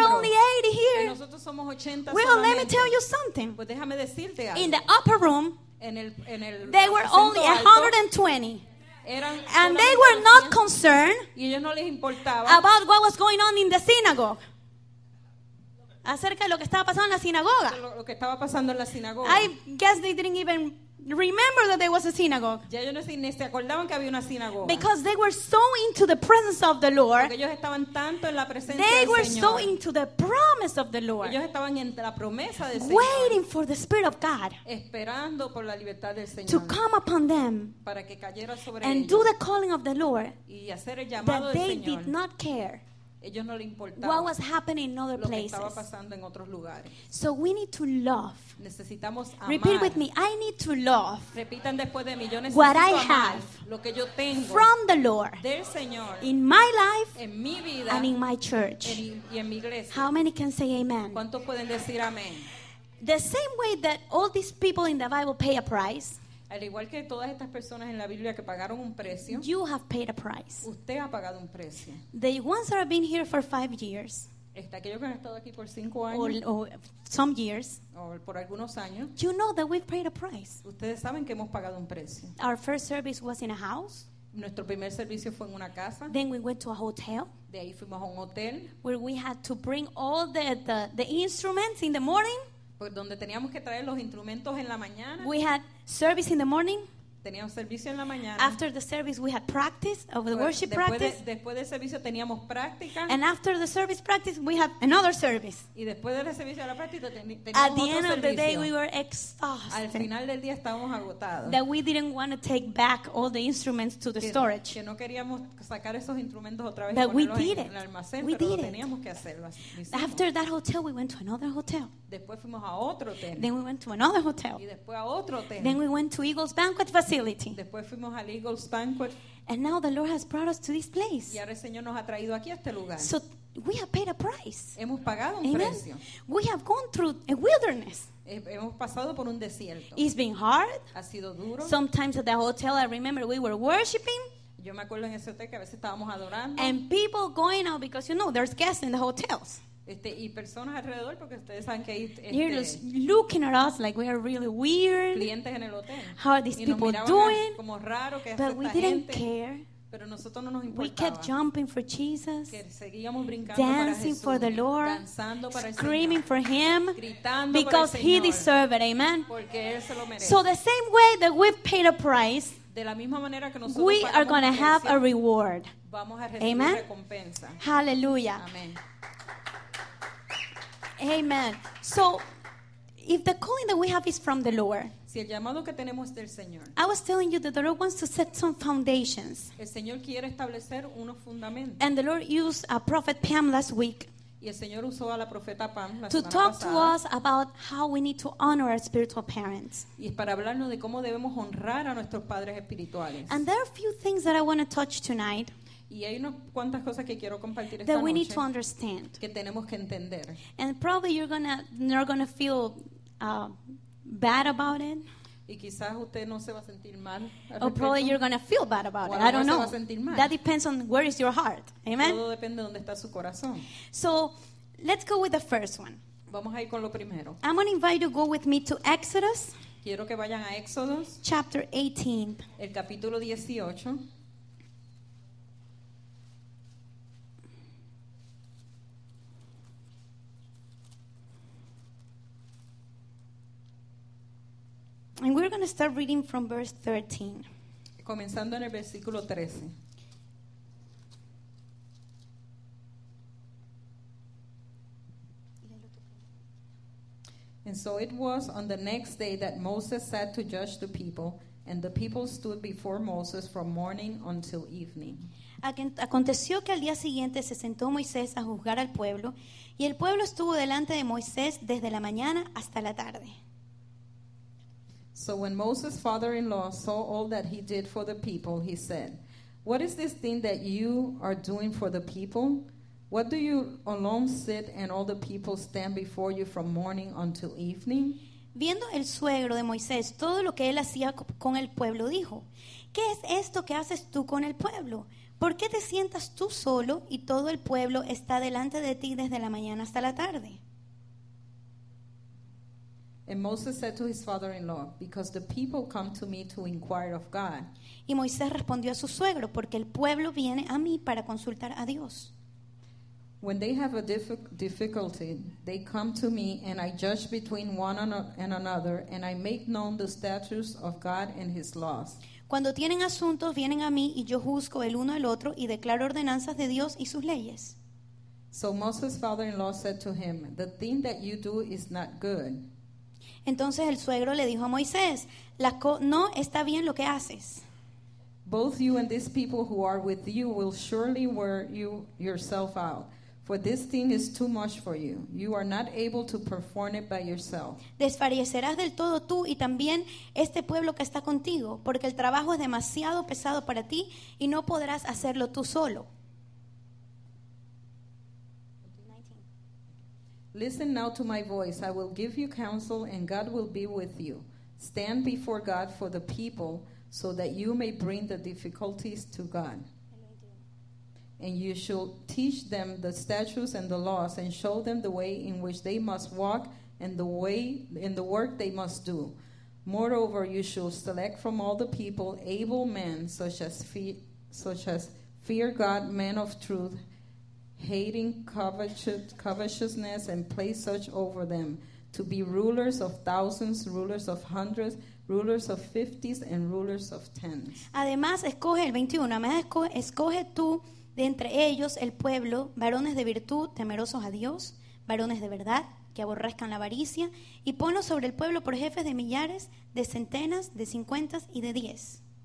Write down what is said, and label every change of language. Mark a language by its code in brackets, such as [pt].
[en] We're only 80 here. [es] Y nosotros somos 80 [en] well, [es] solamente. [en] Let me tell you something. [es] Pues déjame decirte algo. [en] In the upper room, [es] en el [en] they were only 120. And they were not concerned [es] y ellos no les importaba [en] about what was going on in the synagogue. [es] Acerca de lo que estaba pasando en la sinagoga. Lo que estaba pasando en la sinagoga. [en] I guess they didn't even remember that there was a synagogue. [es] Ya ellos ni se acordaban que había una sinagoga. [en] Because they were so into the presence of the Lord. [es] Porque ellos estaban tanto en la presencia Señor. [en] They were so into the promise of the Lord. [es] Ellos estaban en la promesa del Señor. [en] Waiting for the Spirit of God. [es] Esperando por la libertad del Señor. [en] To come upon them. [es] Para que cayera sobre [en] and [es] ellos. [en] Do the calling of the Lord. [es] Y hacer el llamado del Señor. [en] That they did not care. [es] Ellos no le importaba [en] what was happening in other places. [es] Lo que estaba pasando en otros lugares. [en] So we need to love. [es] Necesitamos amar. [en] Repeat with me. I need to love. [es] Repitan después de mí. Yo necesito [en] what I [es] amar [en] have [es] lo que yo tengo [en] from the Lord [es] del Señor [en] in my life [es] en mi vida [en] and in my church. [es] En mi iglesia. [en] How many can say amen? [es] ¿Cuántos pueden decir amén? [en] The same way that all these people in the Bible pay a price. [es] Al igual que todas estas personas en la Biblia que pagaron un precio, [en] you have paid a price. [es] Usted ha pagado un precio. [en] The ones that have been here for 5 years, [es] está aquellos que han estado aquí por 5 años, [en] or some years, [es] o por algunos años, [en] you know that we've paid a price. [es] Ustedes saben que hemos pagado un precio. [en] Our first service was in a house. [es] Nuestro primer servicio fue en una casa. [en] Then we went to a hotel. [es] De ahí fuimos a un hotel. [en] Where we had to bring all the instruments in the morning. [es] Donde teníamos que traer los instrumentos en la mañana. [en] We had service in the morning. [es] Teníamos servicio en la mañana. [en] After the service we had practice of the worship practice. [es] Después del servicio teníamos práctica. [en] And after the service practice we had another service. [es] Y después del servicio de la práctica teníamos otro servicio. [en] At the end of the day we were exhausted. [es] Al final del día estábamos agotados. [en] That we didn't want to take back all the instruments to the storage. [es] Que no queríamos sacar esos instrumentos otra vez. [en] But we did it. [es] En el almacén, pero lo teníamos que hacerlo. [en] After that hotel we went to another hotel. [es] Después fuimos a otro hotel. [en] Then we went to another hotel. [es] Y después a otro hotel. [en] Then we went to Eagles Banquet Facility. [es] Después fuimos al Eagles Banquet. [en] And now the Lord has brought us to this place. [es] Y ahora el Señor nos ha traído aquí a este lugar. [en] So we have paid a price. [es] Hemos pagado un precio. [en] We have gone through a wilderness. [es] Hemos pasado por un desierto. [en] It's been hard. [es] Ha sido duro. [en] Sometimes at the hotel, I remember we were worshiping. [es] Yo me acuerdo en ese hotel que a veces estábamos adorando. [en] And people going out because you know there's guests in the hotels. [es] Y personas alrededor porque ustedes saben que hay [en] looking at us like we are really weird. [es] Clientes en el hotel. [en] How are these people doing? [es] Como raro que [en] but [es] esta [en] we [es] gente. [en] Didn't care. [es] Pero nosotros no nos importaba. [en] We kept jumping for Jesus. [es] Que seguíamos brincando [en] dancing [es] para Jesús, [en] for the Lord. Screaming [es] Señor, [en] for him. [es] Gritando [en] because [es] por el Señor, [en] he deserved it. Amen. [es] Porque él se lo merece. [en] So the same way that we've paid a price. [es] De la misma manera que nosotros [en] we are going to have a reward. [es] Vamos a recibir amen. Recompensa. Hallelujah. Amen. Amen. [en] So, if the calling that we have is from the Lord, [es] si el llamado que tenemos es del Señor, [en] I was telling you that the Lord wants to set some foundations. [es] El Señor quiere establecer unos fundamentos. [en] And the Lord used a prophet Pam last week [es] y el Señor usó a la profeta Pam la [en] to talk [es] pasada, [en] to us about how we need to honor our spiritual parents. [es] Y para hablarnos de cómo debemos honrar a nuestros padres espirituales. [en] And there are a few things that I want to touch tonight. [es] Y hay unas cuantas cosas que quiero compartir esta [en] that we [es] noche [en] need to understand. [es] Que tenemos que entender. [en] And probably you're not gonna feel bad about it. [es] Y quizás usted no se va a sentir mal. [en] Or probably you're gonna feel bad about it. I don't know. [es] Se va a sentir mal. [en] That depends on where is your heart. Amen. [es] Todo depende de dónde está su corazón. [en] So let's go with the first one. [es] Vamos a ir con lo primero. [en] I'm gonna invite you to go with me to Exodus. [es] Quiero que vayan a Exodus. [en] Chapter 18. [es] El capítulo 18. [en] And we're going to start reading from verse 13. [es] Comenzando en el versículo 13. [en] And so it was on the next day that Moses sat to judge the people, and the people stood before Moses from morning until evening. [es] Aconteció que al día siguiente se sentó Moisés a juzgar al pueblo, y el pueblo estuvo delante de Moisés desde la mañana hasta la tarde. [en] So when Moses' father-in-law saw all that he did for the people, he said, "What is this thing that you are doing for the people? What do you alone sit and all the people stand before you from morning until evening?" [es] Viendo el suegro de Moisés todo lo que él hacía con el pueblo, dijo: ¿Qué es esto que haces tú con el pueblo? ¿Por qué te sientas tú solo y todo el pueblo está delante de ti desde la mañana hasta la tarde? [en] And Moses said to his father-in-law, because the people come to me to inquire of God. [es] Y Moisés respondió a su suegro, porque el pueblo viene a mí para consultar a Dios. [en] When they have a difficulty, they come to me and I judge between one and another and I make known the statutes of God and his laws. [es] Cuando tienen asuntos, vienen a mí y yo juzgo el uno al otro y declaro ordenanzas de Dios y sus leyes. [en] So Moses' father-in-law said to him, the thing that you do is not good. [es] Entonces el suegro le dijo a Moisés, no está bien lo que haces. [en] Both you and these people who are with you will surely wear you yourself out. For this thing is too much for you. You are not able to perform it by yourself. [es] Desfallecerás del todo tú y también este pueblo que está contigo, porque el trabajo es demasiado pesado para ti y no podrás hacerlo tú solo. [en] Listen now to my voice. I will give you counsel and God will be with you. Stand before God for the people so that you may bring the difficulties to God. And you shall teach them the statutes and the laws and show them the way in which they must walk and the way in the work they must do. Moreover, you shall select from all the people able men such as fear God, men of truth, hating covetousness, and place such over them to be rulers of thousands, rulers of hundreds, rulers of fifties, and rulers of tens. [es] Además, escoge el 21. Además, escoge tú de entre ellos el pueblo, varones de virtud, temerosos a Dios, varones de verdad, que aborrezcan la avaricia, y ponlos sobre el pueblo por jefes de millares, de centenas, de cincuentas y de diez.